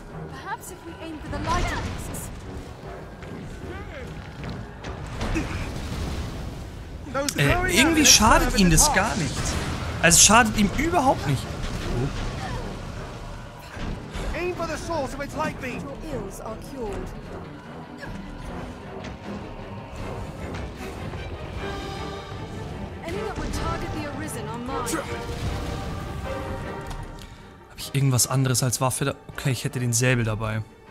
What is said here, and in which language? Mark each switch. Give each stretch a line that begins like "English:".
English: Perhaps if we aim for the lighter pieces.
German: Irgendwie schadet ihm das gar nicht. Also schadet ihm überhaupt nicht.
English: Aim for the source of its light beam. Your ills are cured. Any that would target the arisen are mine.
German: Irgendwas anderes als Waffe. Okay, ich hätte den Säbel dabei.